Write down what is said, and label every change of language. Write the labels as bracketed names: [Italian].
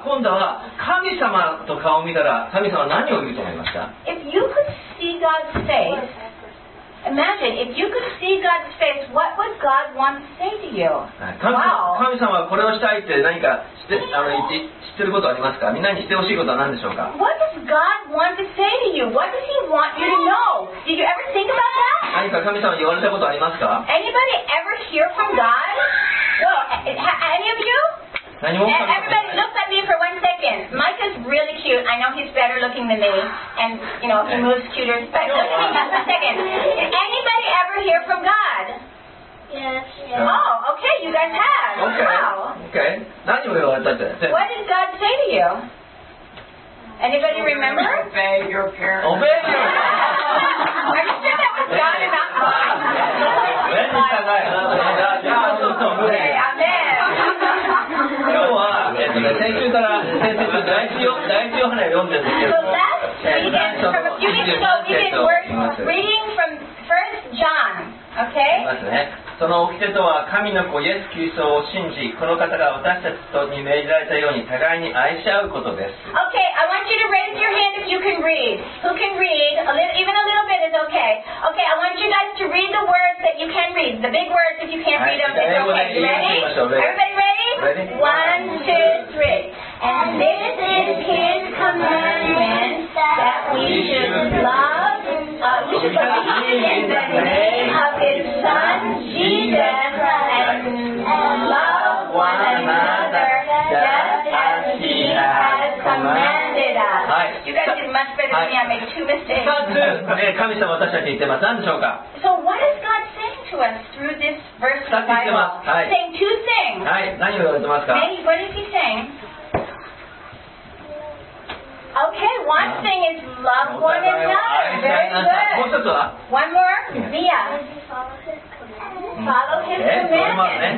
[Japanese] Okay. じゃあ、今度は神様と顔を見たら、神様は何を言うと思いますか? [English] If you could see God's face, imagine if you could see God's face, what would God want to say to you? Wow. [Japanese] 神様これをしたいって何か知ってることありますか? みんなに知ってほしいことは何でしょうか? [English] What does God want to say to you? What does He want you to know? Did you ever think about that? 何か神様に言われたことありますか? Anybody ever hear from God? Any of you? Everybody looks at me for 1 second. Mike is really cute. I know he's better looking than me. And, you know, he moves cuter. But look at me for 1 second. Did anybody ever hear from God? Yes. Oh, okay. You guys have. Okay. Wow. Okay. What did God say to you? Anybody remember? Obey your parents. Obey your parents. I'm sure that was God and not mine. Amen. [Japanese] 先週から先生の第一を花を読んでるんですけど、 [English] so last weekend, from a few weeks ago, we've been reading from 1 John, okay? [Japanese] その掟とは神の子イエス・キリストを信じ、この方が私たちに命じられたように互いに愛し合うことです。 [English] Okay, I want you to raise your hand if you can read. Who can read? Even a little bit is okay. Okay, I want you guys to read the words that you can read. The big words, if you can't read them, it's okay. Ready? Everybody ready? Ready? 1, 2, 3. And this is His commandment that we should love in the name of His Son, Jesus Christ, and love one another just as He has commanded us. Hi. You guys much better than me. I made two mistakes. [Japanese] 2つ、神様私たちに言ってます。何でしょうか。 [English] So what is God saying to us through this verse of the Bible? Saying two things. [Japanese] はい。何を言ってますか。 [English] What is he saying? Okay, one thing is love one another. Very good. One more, Mia. Follow his commandments.